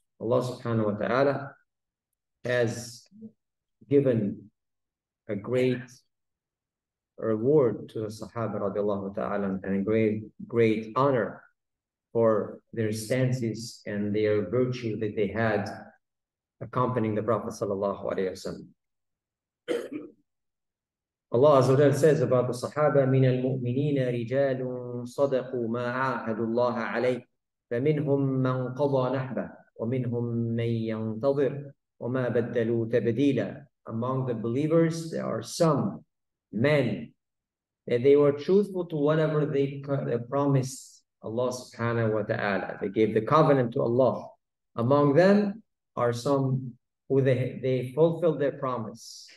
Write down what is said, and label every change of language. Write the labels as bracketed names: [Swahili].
[English] Allah subhanahu wa ta'ala has given a great reward to the Sahaba radiallahu ta'ala and a great, great honor for their stances and their virtue that they had accompanying the Prophet sallallahu alayhi wa sallam. Allah azza wa jalla says about the Sahaba, [Arabic] من المؤمنين رجال صدقوا ما عاهدوا الله عليه فمنهم من قضى نحبه وَمِنْهُمْ مَنْ يَنْتَظِرْ وَمَا بَدَّلُوا تَبْدِيلًا. [English] Among the believers, there are some men that they were truthful to whatever they promised Allah subhanahu wa ta'ala. They gave the covenant to Allah. Among them are some who they fulfilled their promise.